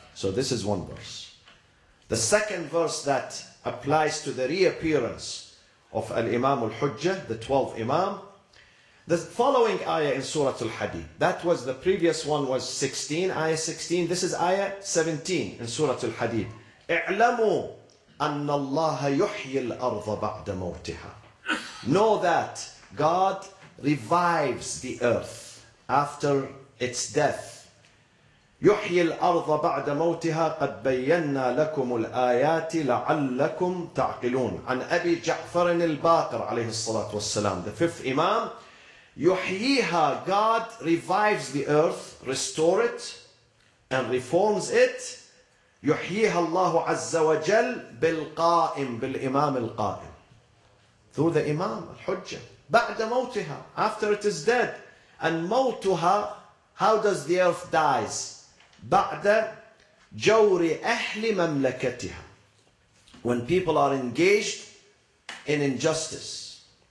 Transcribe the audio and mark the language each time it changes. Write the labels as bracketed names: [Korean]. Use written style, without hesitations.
[English] So this is one verse. The second verse that applies to the reappearance of al-imam al-hujjah, the 12th imam, the following ayah in Surah Al-Hadid. That was the previous one was 16, ayah 16. This is ayah 17 in Surah Al-Hadid. [Arabic] اعلموا أن الله يحيي الأرض بعد موتها. [English] Know that God revives the earth after its death. [Arabic] يحيي الأرض بعد موتها قد بينا لكم الآيات لعلكم تعقلون. عن أبي جعفر الباقر عليه الصلاة والسلام. [English] The fifth imam. [Arabic] يُحْيِيهَا [English] God revives the earth, restore it, and reforms it. [Arabic] يُحْيِيهَا اللَّهُ عَزَّ وَجَلْ بِالْقَائِمْ بِالْإِمَامِ الْقَائِمِ [English] Through the Imam, Al-Hujjah. [Arabic] بَعْدَ مَوْتِهَا [English] After it is dead. And [Arabic] مَوْتُهَا [English] How does the earth dies? [Arabic] بَعْدَ جَوْرِ أَحْلِ مَمْلَكَتِهَا [English] When people are engaged in injustice.